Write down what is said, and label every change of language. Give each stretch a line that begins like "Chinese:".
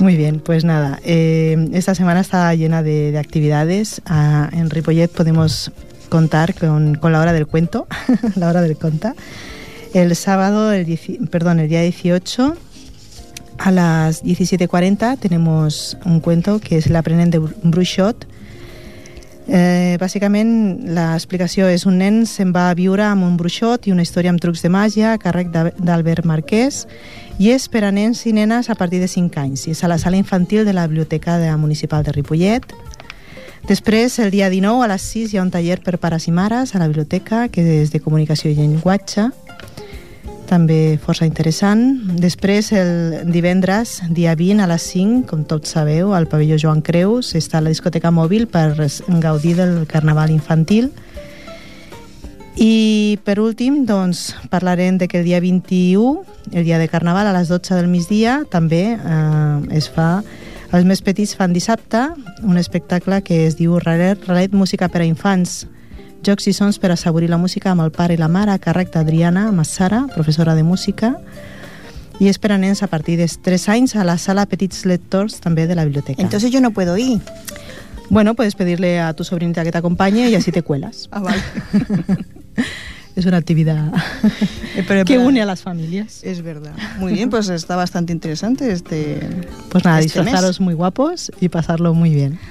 Spanish: Muy bien, pues nada, esta semana está llena de actividades. En Ripollet podemos contar con la hora del cuento, la hora del conta. El sábado, el día 18, a las 17:40, tenemos un cuento que es L'aprenent de Bruixot.
Catalan: Bàsicament, l'explicació és un nen se'n va a viure amb un bruixot i una història amb trucs de màgia a càrrec d'Albert Marquès i és per a nens i nenes a partir de 5 anys. I és a la sala infantil de la Biblioteca Municipal de Ripollet. Després, el dia 19, a les 6, hi ha un taller per pares i mares a la biblioteca, que és de comunicació i llenguatge, també força interessant. Després, el divendres, dia 20, a les 5, com tots sabeu, al pavelló Joan Creus, està la discoteca mòbil per gaudir del carnaval infantil. I, per últim, doncs, parlarem de que el dia 21, el dia de carnaval, a les 12 del migdia, també es fa... Els més petits fan dissabte un espectacle que es diu Ralet Música per a Infants. Jocs i sons per assaborir la música amb el pare i la mare, a càrrec d'Adriana Massara, professora de música, i és per a nens a partir de 3 anys a la sala Petits Lectors, també de la biblioteca.
Spanish: Entonces yo no puedo ir. Bueno, puedes pedirle a tu sobrinita que te acompañe y así te cuelas. Ah, vale. Es una actividad que une a las familias. Es verdad. Muy bien, pues está bastante interesante este Pues nada, disfrazaros muy guapos y pasarlo muy bien.